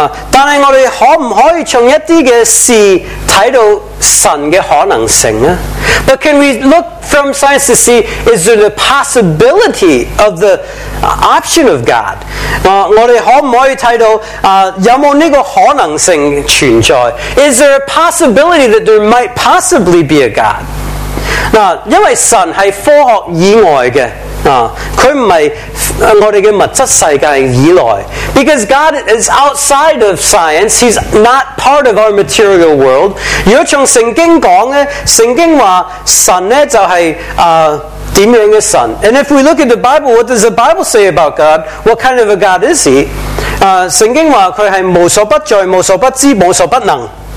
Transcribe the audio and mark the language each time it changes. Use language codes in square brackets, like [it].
[zh] 但是我们可不可以从一些事看到神的可能性呢？ [en] But can we look from science to see, is there the possibility of the option of God? [zh] 我们可不可以看到有没有这个可能性存在？ [en] Is there a possibility that there might possibly be a God? [zh] 因为神是科学以外的，他不是我们的物质世界以来。 [en] Because God is outside of science, He's not part of our material world. [zh] 如果从圣经讲，圣经说神呢就是怎样的神。 [en] And if we look at the Bible, what does the Bible say about God? What kind of a God is He? [zh] 圣经说他是无所不在、无所不知、无所不能。